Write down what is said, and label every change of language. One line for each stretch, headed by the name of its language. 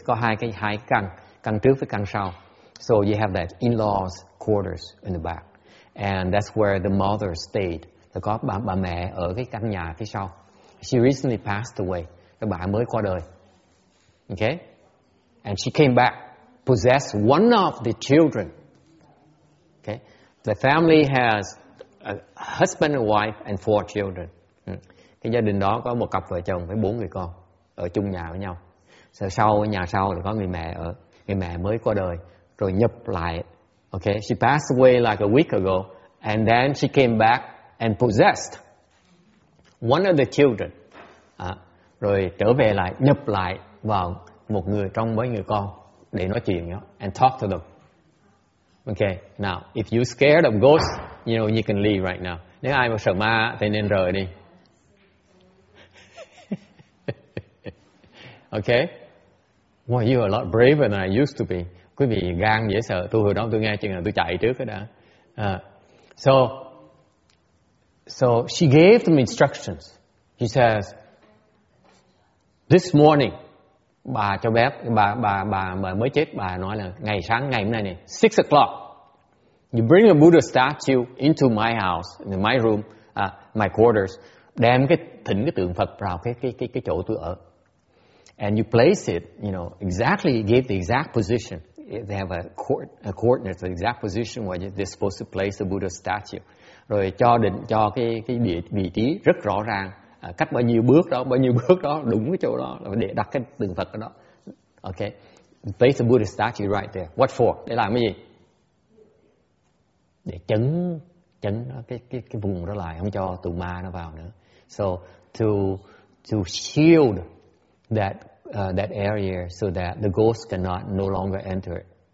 Vietnamese: Có hai căn. Căn trước với căn sau.
English: So you have that in-laws quarters in the back. And that's where the mother stayed.
Vietnamese: Thì có bà mẹ ở cái căn nhà phía sau.
English: She recently passed away.
Vietnamese: Cái bà mới qua đời. Okay?
English: And she came back, possessed one of the children. Okay? The family has a husband and wife and four children.
Vietnamese: Cái gia đình đó có một cặp vợ chồng với bốn người con ở chung nhà với nhau. So sau nhà sau thì có người mẹ ở. Người mẹ mới qua đời, rồi nhập lại.
English: Okay, she passed away like a week ago, and then she came back and possessed one of the children.
Vietnamese: Rồi trở về lại, nhập lại vào một người trong mấy người con để nói chuyện nhau,
English: and talk to them. Okay, now, if you're scared of ghosts, you know, you can leave right now.
Vietnamese: Nếu ai mà sợ ma, thì nên rời đi.
English: Okay? Wow, you're a lot braver than I used to be.
Vietnamese: Quý vị gan dễ sợ. Tôi hồi đó tôi nghe chuyện là tôi chạy trước đó.
English: So she gave them instructions. She says, This morning,
Vietnamese: bà cho bé, bà mới chết, bà nói là ngày sáng ngày hôm nay này,
English: 6 o'clock, you bring a Buddha statue into my house, in my room, my quarters,
Vietnamese: đem cái thỉnh cái tượng Phật vào cái chỗ tôi ở.
English: And you place it, you know, exactly, give the exact position. They have a coordinate, the exact position where they're supposed to place the Buddha statue.
Vietnamese: Rồi cho định cho cái địa vị trí rất rõ ràng, cách bao nhiêu bước đó đúng cái chỗ đó để đặt cái tượng Phật ở đó.
English: Okay, place the Buddha statue right there. What for?
Vietnamese: Để làm cái gì? Để chấn cái vùng đó lại, không cho tù ma nó vào nữa.
English: So to shield that area so that the ghost cannot no longer enter it.